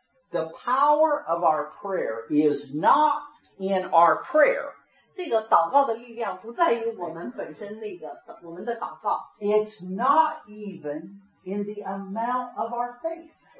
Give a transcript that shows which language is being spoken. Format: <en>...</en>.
<en>The power of our prayer is not in our prayer.</en> <zh>这个祷告的力量不在于我们本身那个我们的祷告。</zh> <en>It's not even in the amount of our faith.</en>